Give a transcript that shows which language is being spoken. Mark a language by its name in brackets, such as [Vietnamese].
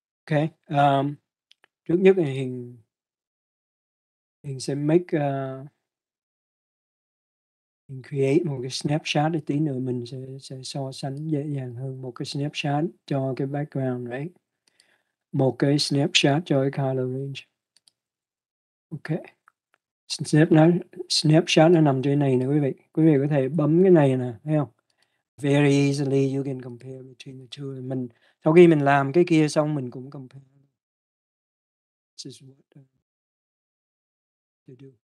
[Vietnamese] Ok, trước nhất thì hình sẽ make hình create một cái snapshot, để tí nữa mình sẽ so sánh dễ dàng hơn. Một cái snapshot cho cái background, right? Một cái snapshot cho cái color range. Ok, snapshot nó nằm trên này nè quý vị. Quý vị có thể bấm cái này nè, thấy không? [English] Very easily you can compare between the two. [Vietnamese] Mình sau khi mình làm cái kia xong mình cũng compare. [English] This is what they do.